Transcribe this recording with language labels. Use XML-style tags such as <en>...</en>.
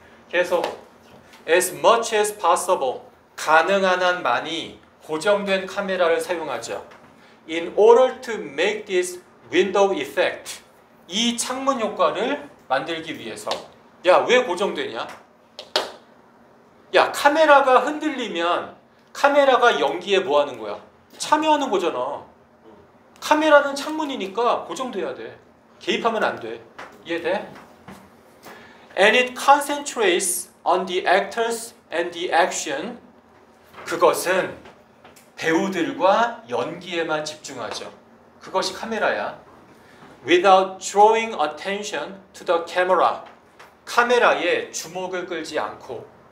<ko>계속</ko> <en>as much as possible</en> <ko>가능한 한 많이 고정된 카메라를 사용하죠.</ko> <en>In order to make this window effect,</en> <ko>이 창문 효과를 만들기 위해서. 야, 왜 고정되냐? 야, 카메라가 흔들리면 카메라가 연기에 뭐 하는 거야? 참여하는 거잖아. 카메라는 창문이니까 고정돼야 돼. 개입하면 안 돼. 이해돼?</ko> <en>And it concentrates on the actors and the action.</en> <ko>그것은 배우들과 연기에만 집중하죠. 그것이 카메라야.</ko> <en>Without drawing attention to the camera.</en> <ko>카메라에 주목을 끌지 않고.</ko>